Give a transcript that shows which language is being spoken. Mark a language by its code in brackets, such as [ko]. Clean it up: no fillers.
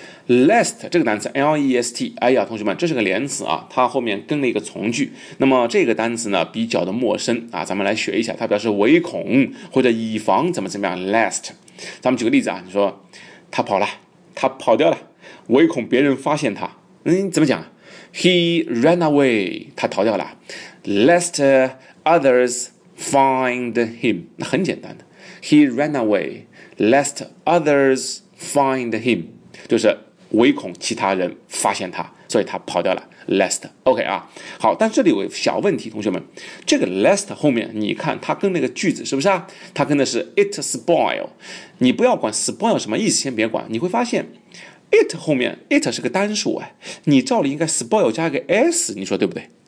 [zh] Lest 这个单词 L-E-S-T， 哎呀同学们，这是个连词啊，它后面跟了一个从句，那么这个单词呢比较的陌生啊，咱们来学一下，它表示唯恐或者以防怎么怎么样。 Lest， 咱们举个例子啊，你说他跑了，他跑掉了，唯恐别人发现他，嗯，怎么讲？ [en] He ran away， [zh] 他逃掉了。 [en] Lest others find him， [zh] 那很简单的， [en] He ran away lest others find him， [zh] 就是唯恐其他人发现他，所以他跑掉了 lest。 OK 啊，好，但这里有小问题，同学们，这个 lest 后面你看它跟那个句子是不是啊，它跟的是 [en] it spoil， [zh] 你不要管 spoil 什么意思，先别管，你会发现 it 后面 it 是个单数，哎，你照理应该 spoil 加个 s， 你说对不对？